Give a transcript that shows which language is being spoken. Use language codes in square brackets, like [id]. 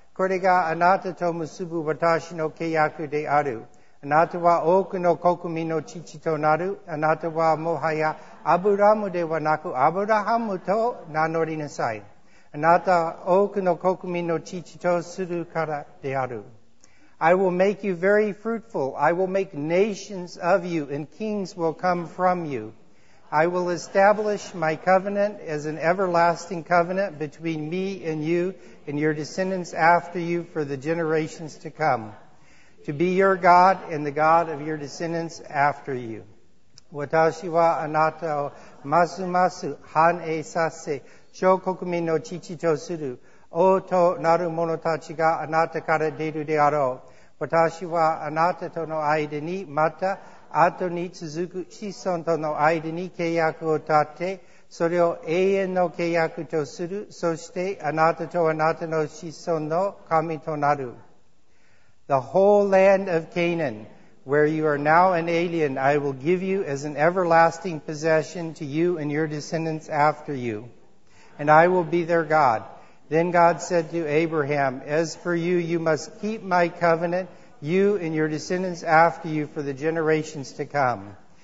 [ja] これがあなたと結ぶ私の契約である。あなたは多くの国民の父となる。あなたはもはやアブラムではなくアブラハムと名乗りなさい。あなた多くの国民の父とするからである。 [en] I will make you very fruitful. I will make nations of you and kings will come from you. I will establish my covenant as an everlasting covenant between me and you. And your descendants after you for the generations to come. To be your God and the God of your descendants after you. [ja] 私はあなたをますます繁栄させ、諸国民の父とする。王となる者たちがあなたから出るであろう。私はあなたとの間に、また後に続く子孫との間に契約を立て、それを永遠の契約とする。そして、あなたとあなたの子孫の神となる。 [en] The whole land of Canaan, where you are now an alien, I will give you as an everlasting possession to you and your descendants after you, and I will be their God. Then God said to Abraham, as for you, you must keep my covenant, you and your descendants after you, for the generations to come.